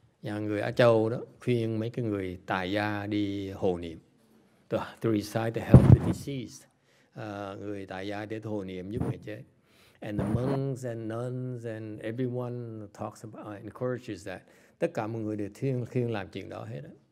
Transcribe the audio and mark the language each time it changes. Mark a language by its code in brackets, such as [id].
[vi] Nhà người Á Châu đó khuyên mấy cái người tài gia đi hộ niệm. [en] To recite to help the deceased. [vi] Người tài gia đến hộ niệm giúp người chết. [en] And the monks and nuns and everyone talks about, encourages that. [vi] Tất cả mọi người đều khuyên làm chuyện đó hết. Đó.